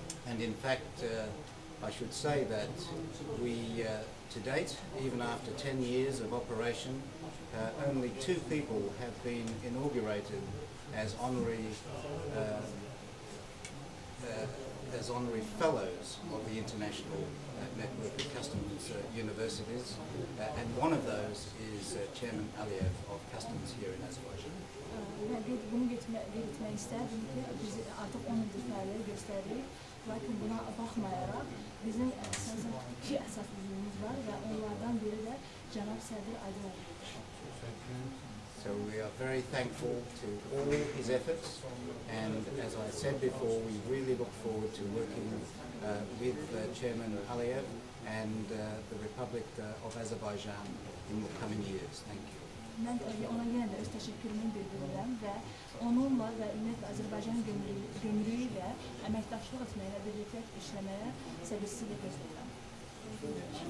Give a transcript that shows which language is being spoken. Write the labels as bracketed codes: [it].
[en] And in fact, I should say that we, to date, even after 10 years of operation, only two people have been inaugurated as honorary fellows of the International Network of Customs Universities, and one of those is Chairman Aliyev of Customs here in Azerbaijan. [az] Bunu belirtmək istərdim ki, biz artıq 10 ildir fəaliyyət göstəririk və Lakin buna baxmayaraq, bizim əsasən iki əsas üzvümüz var və onlardan biri də cənab sədr Adilovdur. [en] So we are very thankful to all his efforts, and as I said before, we really look forward to working with Chairman Aliyev and the Republic of Azerbaijan in the coming years. Thank you. [az] Mən ona yenə də öz təşəkkürümü bildirirəm və onunla və ümumiyyətlə Azərbaycan gömrüyü ilə əməkdaşlıq etməyə, birlikdə işləməyə səbirsizlik göstərirəm.